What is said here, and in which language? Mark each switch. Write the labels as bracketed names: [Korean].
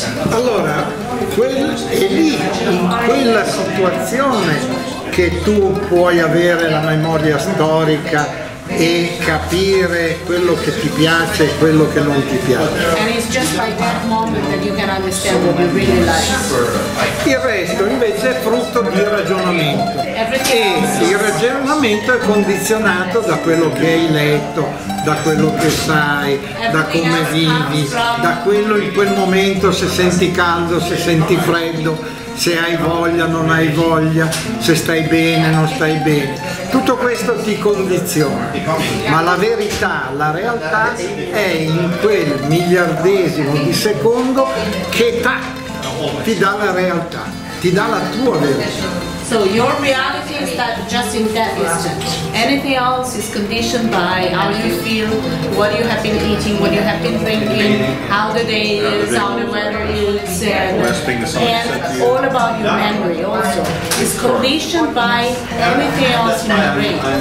[Italian] Allora, è lì, in quella situazione, che tu puoi avere la memoria storica e capire quello che ti piace e quello che non ti piace. [English] And it's just by that moment that you can understand what you really like. [Italian] Il resto invece è frutto di ragionamento. [English] Everything [Italian] e il ragionamento è condizionato da quello che hai letto, da quello che sai, da come vivi, da quello in quel momento, se senti caldo, se senti freddo, se hai voglia, non hai voglia, se stai bene, non stai bene. Tutto questo ti condiziona, ma la verità, la realtà è in quel miliardesimo di secondo che ti dà la realtà, ti dà la tua verità. [English] So your reality is that just in that instant. Anything else is conditioned by how you feel, what you have been eating, what you have been drinking, how the day is, how the weather is, and all about your memory also. It's conditioned by anything else in your brain.